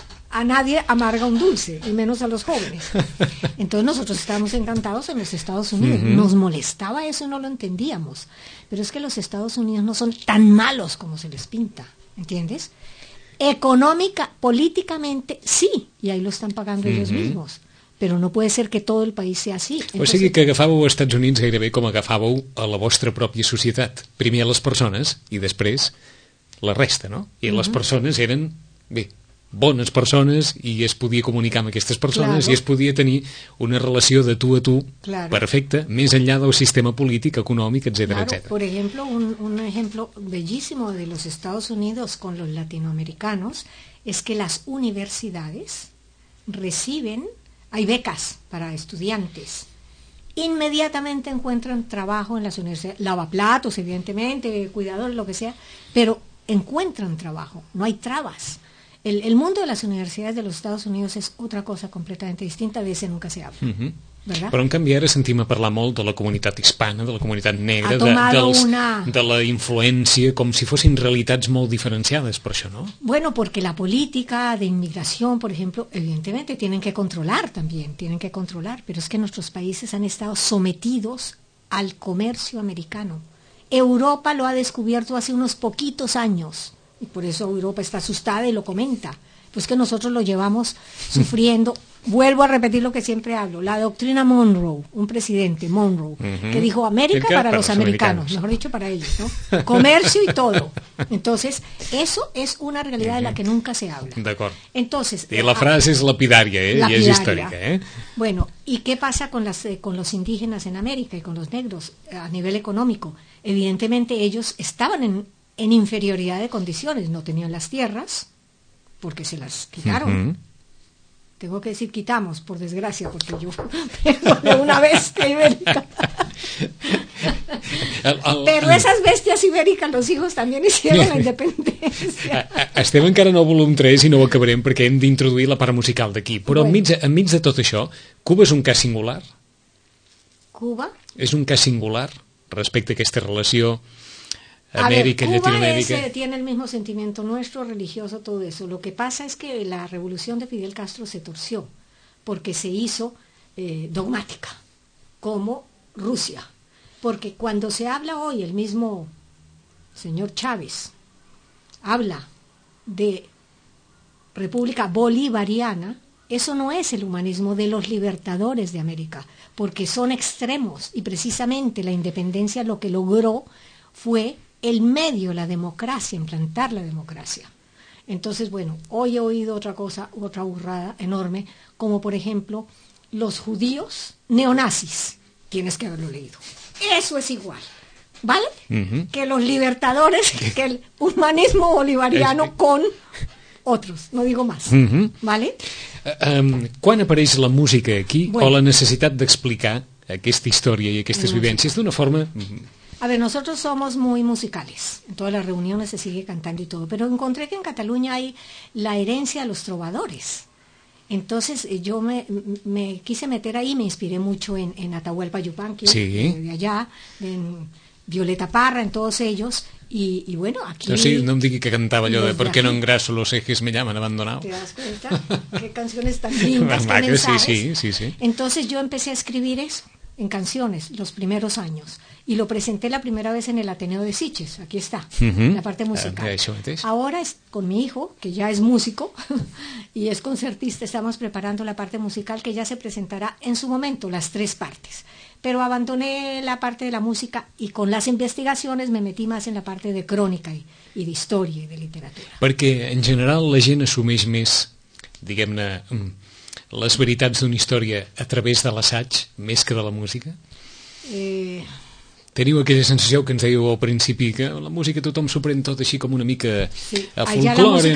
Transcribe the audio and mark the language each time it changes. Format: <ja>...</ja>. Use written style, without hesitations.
<es>A nadie amarga un dulce, y menos a los jóvenes. Entonces nosotros estábamos encantados en los Estados Unidos. Nos molestaba eso y no lo entendíamos. Pero es que los Estados Unidos no son tan malos como se les pinta, ¿entiendes? Económica, políticamente, sí, y ahí lo están pagando ellos mismos. Pero no puede ser que todo el país sea así.</es> <ca>Entonces, o sigui que agafàveu als Estats Units gairebé com agafàveu a la vostra pròpia societat. Primer a les persones i després la resta, no? I les persones eren, bé... bones persones i es podia comunicar amb aquestes persones i es podia tenir una relació de tu a tu perfecta, més enllà del sistema polític, econòmic, etcètera, etcètera.</ca> <es>Por ejemplo, un ejemplo bellísimo de los Estados Unidos con los latinoamericanos es que las universidades reciben, hay becas para estudiantes, inmediatamente encuentran trabajo en las universidades, lavaplatos, evidentemente, cuidadores, lo que sea, pero encuentran trabajo, no hay trabas. El mundo de las universidades de los Estados Unidos es otra cosa completamente distinta, de ese nunca se habla.</es> <ca>Però en canvi ara sentim a parlar molt de la comunitat hispana, de la comunitat negra, de la influència, com si fossin realitats molt diferenciades per això, no?</ca> <es>Bueno, porque la política de inmigración, por ejemplo, evidentemente tienen que controlar también, tienen que controlar, pero es que nuestros países han estado sometidos al comercio americano. Europa lo ha descubierto hace unos poquitos años. Y por eso Europa está asustada y lo comenta. Pues que nosotros lo llevamos sufriendo. Vuelvo a repetir lo que siempre hablo. La doctrina Monroe, un presidente, Monroe, que dijo América para los americanos, mejor dicho para ellos, ¿no? Comercio y todo. Entonces, eso es una realidad de la que nunca se habla. De acuerdo. Entonces, y la frase es lapidaria, ¿eh? Lapidaria. Y es histórica, ¿eh? Bueno, ¿y qué pasa con los indígenas en América y con los negros a nivel económico? Evidentemente ellos estaban en inferioridad de condiciones, no tenían las tierras porque se las quitaron, Tengo que decir quitamos, por desgracia, porque yo tengo de una bestia ibérica. Pero esas bestias ibéricas, los hijos también hicieron la independencia.</es> <ca>Estem encara en el volum 3 i no ho acabarem perquè hem d'introduir la part musical d'aquí. Però bueno. enmig de tot això, Cuba és un cas singular? Cuba? És un cas singular respecte a aquesta relació Amèrica-Llatinoamèrica?</ca> <es>Cuba tiene el mismo sentimiento nuestro, religioso, todo eso. Lo que pasa es que la revolución de Fidel Castro se torció porque se hizo dogmática, como Rusia. Porque cuando se habla hoy, el mismo señor Chávez habla de República Bolivariana, eso no es el humanismo de los libertadores de América, porque son extremos, y precisamente la independencia lo que logró fue el medio, la democracia, implantar la democracia. Entonces, bueno, hoy he oído otra cosa, otra burrada enorme, como por ejemplo, los judíos neonazis, tienes que haberlo leído. Eso es igual, ¿vale? Uh-huh. Que los libertadores, que el humanismo bolivariano con otros, no digo más, ¿vale?</es> <ca>¿Quan apareix la música aquí, bueno, o la necessitat d'explicar aquesta història i aquestes vivències d'una forma...</ca> <es>A ver, nosotros somos muy musicales, en todas las reuniones se sigue cantando y todo, pero encontré que en Cataluña hay la herencia de los trovadores. Entonces yo me quise meter ahí, me inspiré mucho en Atahualpa Yupanqui, sí, de allá, en Violeta Parra, en todos ellos, y bueno, aquí... No, sí, no me digas que cantaba yo de ¿por qué no engraso los ejes me llaman abandonado? ¿Te das cuenta? ¿Qué canciones tan lindas, qué mensajes? Sí. Entonces yo empecé a escribir eso, en canciones, los primeros años, y lo presenté la primera vez en el Ateneo de Sitges, aquí está, la parte musical. Ahora es con mi hijo, que ya es músico y es concertista, estamos preparando la parte musical que ya se presentará en su momento, las tres partes. Pero abandoné la parte de la música y con las investigaciones me metí más en la parte de crónica y de historia y de literatura.</es> <ca>Porque en general la gent assumeix més, diguem-ne, les veritats d'una història a través de l'assaig més que de la música? Teniu aquella sensació que ens dèieu al principi, que la música tothom s'ho pren tot així com una mica a folclore,</ca>